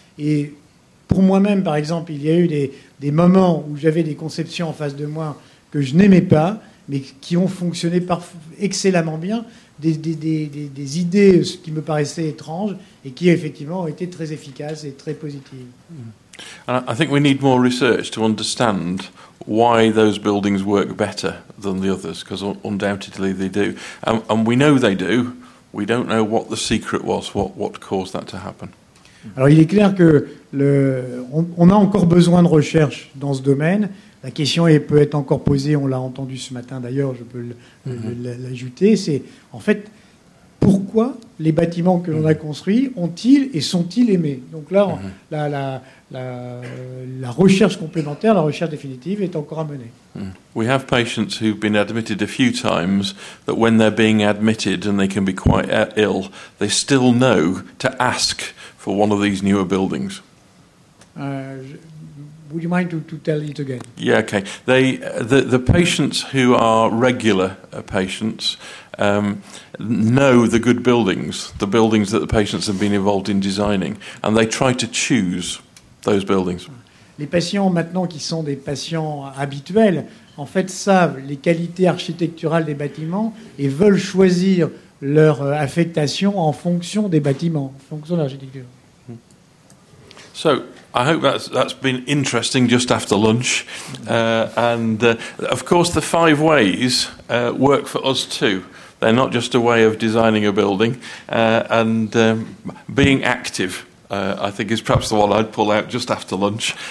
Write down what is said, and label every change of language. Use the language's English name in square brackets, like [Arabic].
[French] Et pour moi-même, par exemple, il y a eu des moments où j'avais des conceptions en face de moi que je n'aimais pas, mais qui ont fonctionné excellemment bien, des idées qui me paraissaient étranges et qui, effectivement, ont été très efficaces et très positives. [English] I think we need more research to understand why those buildings work better than the others, because undoubtedly they do. And we know they do. We don't know what the secret was, what caused that to happen. [French] Alors il est clair que on a encore besoin de recherche dans ce domaine. La question peut être encore posée, on l'a entendu ce matin d'ailleurs, je peux l'ajouter, c'est en fait pourquoi les bâtiments que l'on a construits ont-ils et sont-ils aimés? Donc là, la recherche complémentaire, la recherche définitive est encore à mener. [English] We have patients who've been admitted a few times that when they're being admitted and they can be quite ill, they still know to ask for one of these newer buildings. Would you mind to tell it again? Yeah, okay. The patients who are regular patients know the good buildings, the buildings that the patients have been involved in designing, and they try to choose those buildings. [French] Les patients maintenant qui sont des patients habituels, en fait, savent les qualités architecturales des bâtiments et veulent choisir leur affectation en fonction des bâtiments, en fonction de l'architecture. [English] So, I hope that's been interesting just after lunch. Of course, the five ways work for us too. They're not just a way of designing a building. Being active, I think, is perhaps the one I'd pull out just after lunch.